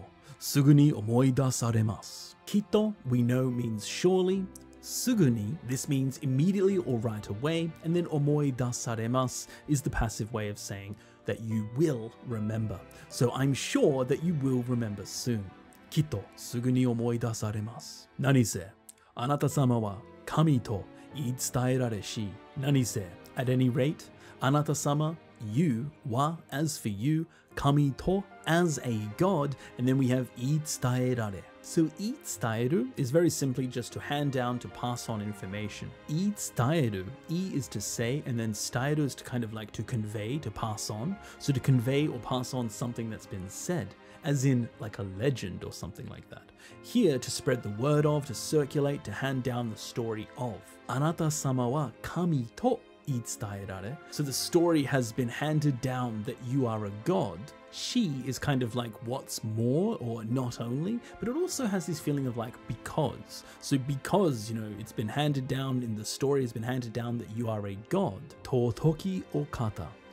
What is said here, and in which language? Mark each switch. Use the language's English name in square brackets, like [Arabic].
[Japanese] きっとすぐに思い出されます。何せあなたさまは神と言い伝えられし尊きお方。きっとすぐに思い出されます。きっと [English] we know means surely. Suguni, this means immediately or right away, and then [Japanese] 思い出されます [English] is the passive way of saying that you will remember. So I'm sure that you will remember soon. [Japanese] きっとすぐに思い出されます。何せ あなた様は神と言い伝えられし。何せ? [English] At any rate, [Japanese] あなた様, [English] you, wa, as for you, [Japanese] 神と, [English] as a god, and then we have [Japanese] 言い伝えられ. [English] So [Japanese] 言い伝える [English] is very simply just to hand down, to pass on information. [Japanese] 言い伝える, [English] e is to say, and then [Japanese] 伝える [English] is to kind of like to convey, to pass on. So to convey or pass on something that's been said, as in like a legend or something like that. Here, to spread the word of, to circulate, to hand down the story of. [Japanese] あなた様は 神と言い伝えられ. [English] So the story has been handed down that you are a god. She is kind of like what's more or not only, but it also has this feeling of like because. So because, you know, it's been handed down in the story, has been handed down that you are a god. [Japanese] 尊きお方.